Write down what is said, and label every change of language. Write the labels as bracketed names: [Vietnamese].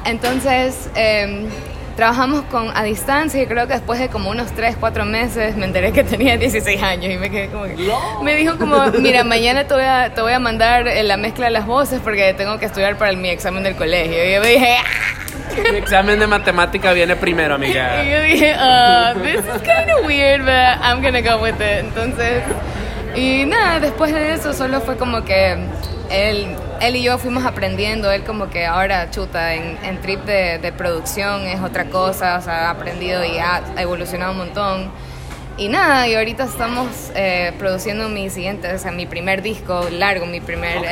[Spanish] Entonces trabajamos a distancia y creo que después de como unos 3-4 meses me enteré que tenía 16 años y me quedé como que... No. Me dijo como, mira, mañana te voy a mandar la mezcla de las voces porque tengo que estudiar para mi examen del colegio. Y yo me dije... ¡Ah! Mi examen de matemática viene primero, amiga. Y yo dije, [English] oh, this is kind of weird, but I'm gonna go with it. [Spanish] Entonces, y nada, después de eso solo fue como que él y yo fuimos aprendiendo. Él como que ahora, chuta, en trip de producción es otra cosa. O sea, ha aprendido y ha evolucionado un montón. Y nada, y ahorita estamos produciendo mi siguiente, o sea, mi primer disco largo, mi primer okay.